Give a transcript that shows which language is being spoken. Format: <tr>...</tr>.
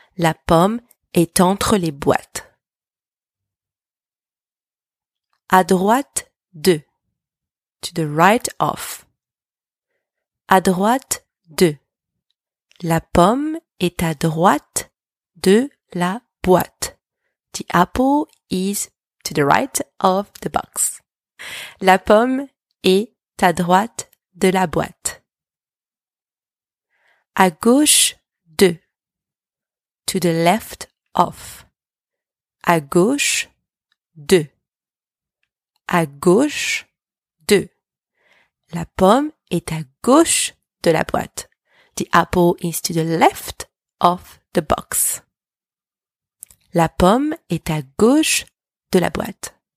<fr>La pomme est entre les boîtes. À droite de.</fr> <en>To the right of.</en> <fr>À droite de. La pomme est à droite de la boîte.</fr> <en>The apple is to the right of the box.</en> <fr>La pomme est à droite de la boîte. À gauche de.</fr> <en>To the left of.</en> <fr>à gauche de. À gauche de. La pomme est à gauche de la boîte.</fr> <en>The apple is to the left of the box.</en> <fr>La pomme est à gauche de la boîte.</fr>